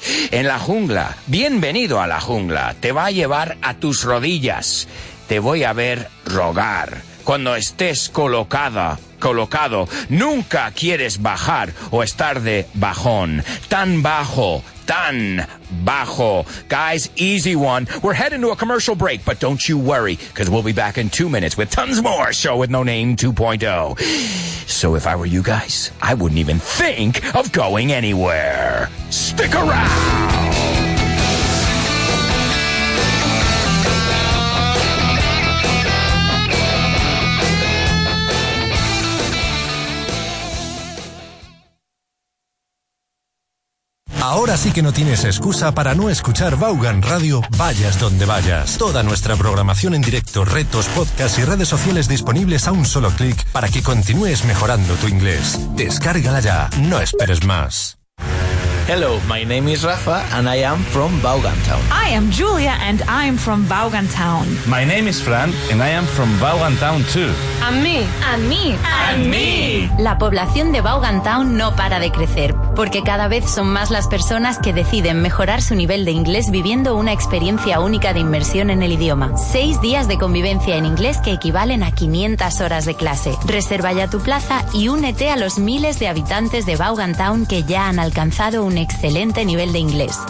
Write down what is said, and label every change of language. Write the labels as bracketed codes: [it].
[es] En la jungla, bienvenido a la jungla. Te va a llevar a tus rodillas. Te voy a ver rogar. Cuando estés colocado, nunca quieres bajar o estar de bajón. Tan bajo, tan bajo. [en] Guys, easy one. We're heading to a commercial break, but don't you worry, because we'll be back in 2 minutes with tons more Show With No Name 2.0. So if I were you guys, I wouldn't even think of going anywhere. Stick around! [es] Ahora sí que no tienes excusa para no escuchar Vaughan Radio, vayas donde vayas. Toda nuestra programación en directo, retos, podcast y redes sociales disponibles a un solo clic para que continúes mejorando tu inglés. Descárgala ya, no esperes más. [en] Hello, my name is Rafa and I am from Baugantown. I am Julia and I'm from Baugantown. My name is Fran and I am from Baugantown too. [es] A mí. La población de Baugantown no para de crecer, porque cada vez son más las personas que deciden mejorar su nivel de inglés viviendo una experiencia única de inmersión en el idioma. 6 días de convivencia en inglés que equivalen a 500 horas de clase. Reserva ya tu plaza y únete a los miles de habitantes de Baugantown que ya han alcanzado un excelente nivel de inglés.